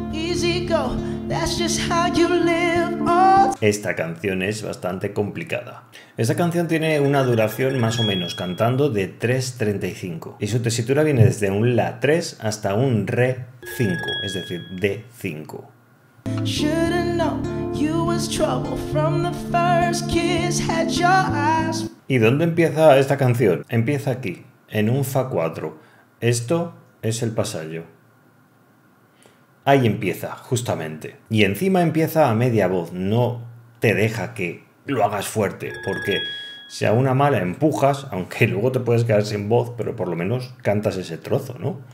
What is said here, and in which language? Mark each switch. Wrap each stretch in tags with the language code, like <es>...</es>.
<en>easy go. That's just how you live. Oh.</en> <es>Esta canción es bastante complicada. Esta canción tiene una duración más o menos cantando de 3:35 y su tesitura viene desde un La 3 hasta un Re 5, es decir, D5.</es> <en>Should've known you was trouble from the first kiss, had your eyes.</en> <es>¿Y dónde empieza esta canción? Empieza aquí, en un Fa 4. Esto es el pasallo. Ahí empieza, justamente. Y encima empieza a media voz, no te deja que lo hagas fuerte, porque si a una mala empujas, aunque luego te puedes quedar sin voz, pero por lo menos cantas ese trozo, ¿no?</es>